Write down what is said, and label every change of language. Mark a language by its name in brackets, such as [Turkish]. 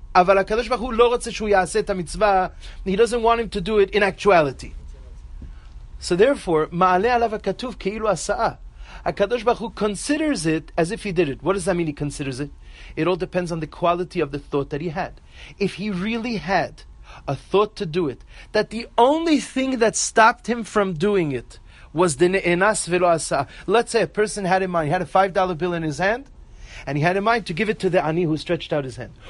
[Hebrew] אבל הקדוש ברוך הוא לא רוצה שהוא יעשה את המצווה. [English] He doesn't want him to do it in actuality. So therefore, [Hebrew] מעלה עליו הכתוב כאילו עשה. [English] הקדוש ברוך הוא considers it as if he did it. What does that mean, he considers it? It all depends on the quality of the thought that he had. If he really had a thought to do it, that the only thing that stopped him from doing it was the ne'enas velo asa. Let's say a person had in mind, he had a $5 bill in his hand, and he had in mind to give it to the ani who stretched out his hand.